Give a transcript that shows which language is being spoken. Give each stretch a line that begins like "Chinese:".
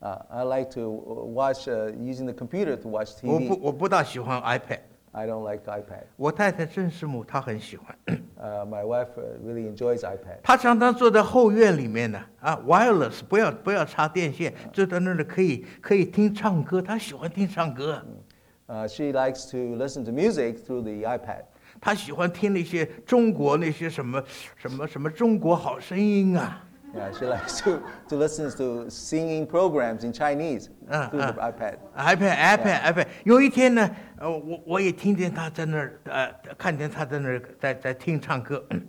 English: I like to watch using the computer to watch TV。
Chinese: 我不大喜欢 iPad。
English: I don't like iPad。
Chinese: 我太太郑师母她很喜欢。
English: My wife really enjoys iPad。
Chinese: 她常常坐在后院里面呢，wireless， 不要插电线，坐在那里可以听唱歌，她喜欢听唱歌。
English: She likes to listen to music through the iPad。
Chinese: 她喜欢听那些中国那些什么什么什么中国好声音啊。
English: Yeah, she likes to listen to singing programs in Chinese through the iPad. iPad.
Chinese: 有一天呢，我也听见他在那儿，看见他在那儿在听唱歌。